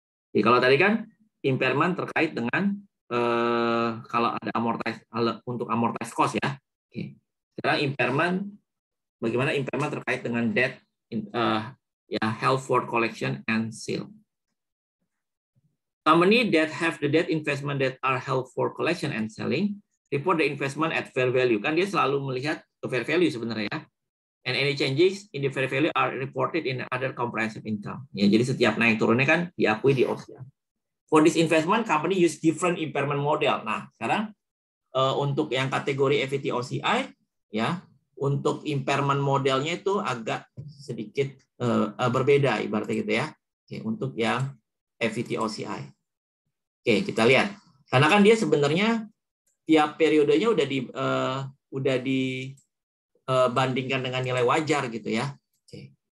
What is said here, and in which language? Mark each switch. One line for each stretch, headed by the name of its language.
Indonesian: Jadi kalau tadi kan impairment terkait dengan kalau ada amortize untuk amortize cost ya. Oke. Okay. Sekarang impairment, bagaimana impairment terkait dengan debt ya, held for collection and sale.
English: Company that have the debt investment that are held for collection and selling report the investment at fair value.
Indonesian: Kan dia selalu melihat ke fair value sebenarnya ya.
English: And any changes in the fair value are reported in other comprehensive income.
Indonesian: Ya, jadi setiap naik turunnya kan diakui di OCI.
English: For this investment, company use different impairment model.
Indonesian: Nah, sekarang untuk yang kategori FVT OCI, ya, untuk impairment modelnya itu agak sedikit berbeda, ibaratnya gitu ya. Oke, untuk yang FVT OCI. Oke, kita lihat. Karena kan dia sebenarnya tiap periodenya udah dibandingkan dengan nilai wajar gitu ya. Oke.